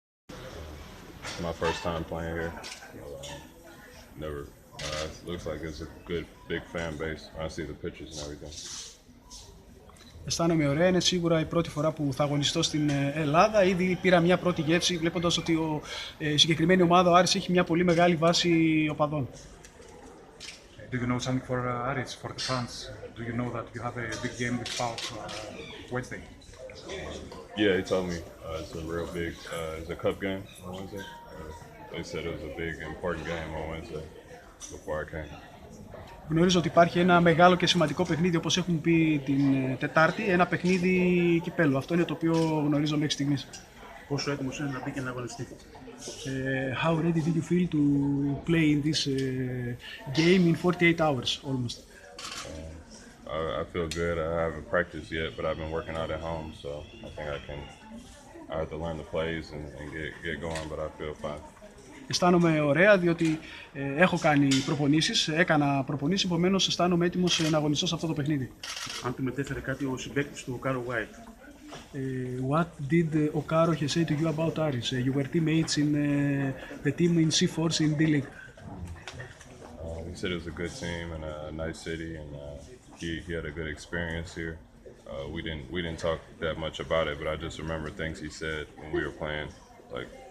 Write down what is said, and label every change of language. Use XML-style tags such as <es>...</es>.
<en>is my first time playing here. Never. Looks like it's a good big fan base. I see the pictures and everything.</en> <el>Αισθάνομαι ωραία. Είναι σίγουρα η πρώτη φορά που θα αγωνιστώ στην Ελλάδα. Ήδη πήρα μια πρώτη γεύση βλέποντας ότι η συγκεκριμένη ομάδα, ο Άρης, έχει μια πολύ μεγάλη βάση οπαδών.</el> <en>Do you know something for Άρης, for the fans? Do you know that you have a big game with PAOK Wednesday? Yeah, he told me it's a real big, it's a cup game on Wednesday. They said it was a big important game on Wednesday before I came.</en> <el>Γνωρίζω ότι υπάρχει ένα μεγάλο και σημαντικό παιχνίδι, όπως έχουν πει την Τετάρτη, ένα παιχνίδι κυπέλλου. Αυτό είναι το οποίο γνωρίζω μέχρι στιγμής. Πόσο έτοιμος είναι να μπει και να αγωνιστεί?</el> <en>How ready did you feel to play in this game in 48 hours almost? I feel good. I haven't practiced yet, but I've been working out at home, so I think I can. I have to learn the plays and get going, but I feel fine.</en> <el>Αισθάνομαι ωραία, διότι έχω κάνει προπονήσεις, έκανα προπονήσεις, επομένως αισθάνομαι έτοιμος να αγωνιστώ σε αυτό το παιχνίδι. Αν του μετέφερε κάτι ο συμπαίκτης του, ο Κάρο Γουάιτ.</el> <en>What did Okaro have said to you about Aris? You were teammates in the team in C4 in D-League. He said it was a good team and a nice city and he had a good experience here. We didn't talk that much about it, but I just remember things he said when we were playing, like,</en>